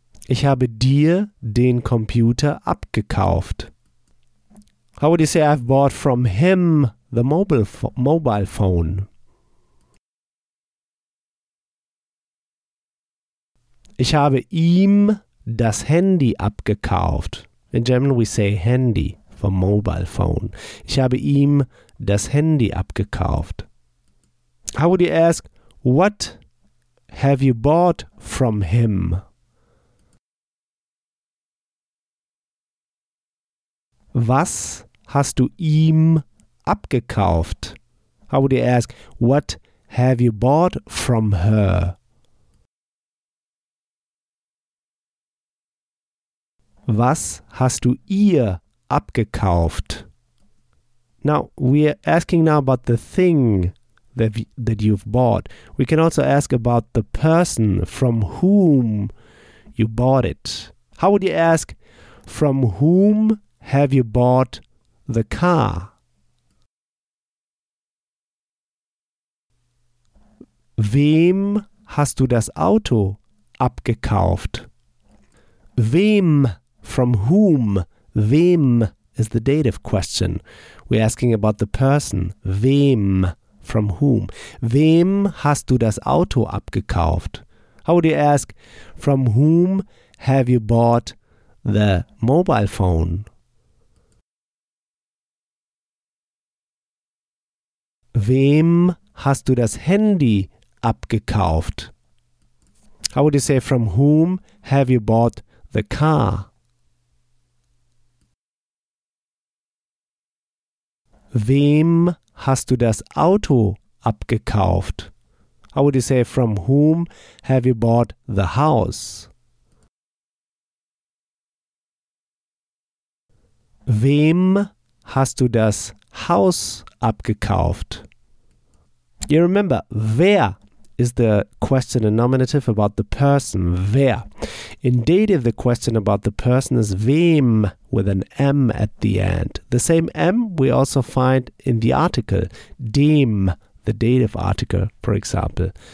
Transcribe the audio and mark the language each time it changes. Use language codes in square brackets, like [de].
[de] Ich habe dir den Computer abgekauft. [en] How would you say I've bought from him the mobile phone? [de] Ich habe ihm das Handy abgekauft. [en] In German we say Handy for mobile phone. [de] Ich habe ihm das Handy abgekauft. [en] How would you ask, what have you bought from him? [de] Was hast du ihm abgekauft? [en] How would you ask, what have you bought from her? [de] Was hast du ihr abgekauft? [en] Now, we are asking now about the thing that you've bought. We can also ask about the person from whom you bought it. How would you ask, from whom Have you bought the car? [de] Wem hast du das Auto abgekauft? [en] Wem, from whom? Wem is the dative question. We're asking about the person. Wem, from whom? [de] Wem hast du das Auto abgekauft? [en] How would you ask, from whom have you bought the mobile phone? [de] Wem hast du das Handy abgekauft? [en] How would you say, from whom have you bought the car? [de] Wem hast du das Auto abgekauft? [en] How would you say, from whom have you bought the house? [de] Wem hast du das Haus abgekauft? [en] You remember, wer is the question and nominative about the person, wer. In dative, the question about the person is wem, with an M at the end. The same M we also find in the article, dem, the dative article, for example.